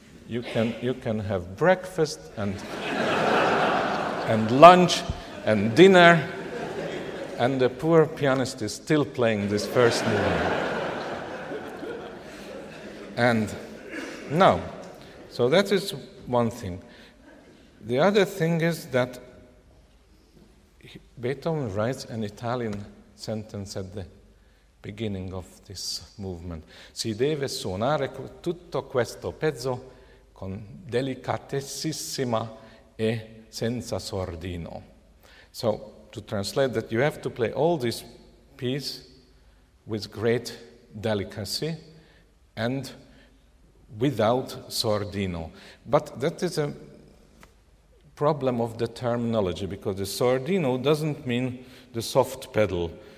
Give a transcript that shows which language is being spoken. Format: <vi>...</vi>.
<en>You can have breakfast and lunch and dinner, and the poor pianist is still playing this first movement. And now, so that is one thing. The other thing is that Beethoven writes an Italian sentence at the beginning of this movement.</en> <it>Si deve suonare tutto questo pezzo con delicatissima e senza sordino.</it> <en>So, to translate that, you have to play all this piece with great delicacy and without sordino. But that is a problem of the terminology, because the sordino doesn't mean the soft pedal.</en>